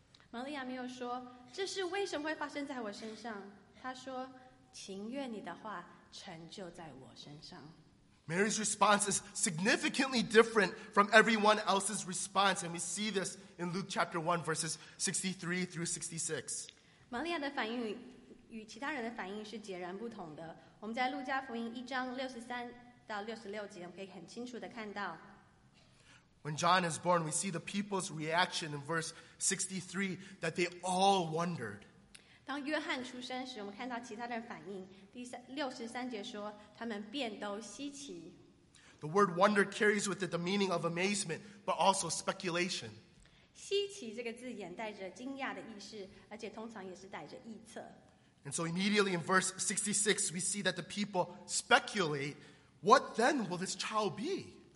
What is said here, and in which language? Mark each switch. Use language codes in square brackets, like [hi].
[zh] 玛利亚没有说这是为什么会发生在我身上，她说，情愿你的话。成就在我身上。 [en] Mary's response is significantly different from everyone else's response, and we see this in Luke chapter 1, verses 63 through 66. [zh] 玛利亚的反应与其他人的反应是截然不同的。我们在路加福音1章63到66节可以很清楚地看到。 [en] When John is born, we see the people's reaction in verse 63 that they all wondered. [zh] 当约翰出生时，我们看到其他人反应。第63节说，他们便都稀奇。 [en] The word wonder carries with it the meaning of amazement, but also speculation. [zh] 稀奇这个字眼带着惊讶的意思，而且通常也是带着臆测。 [en] And so immediately in verse 66, we see that the people speculate, what then will this child be?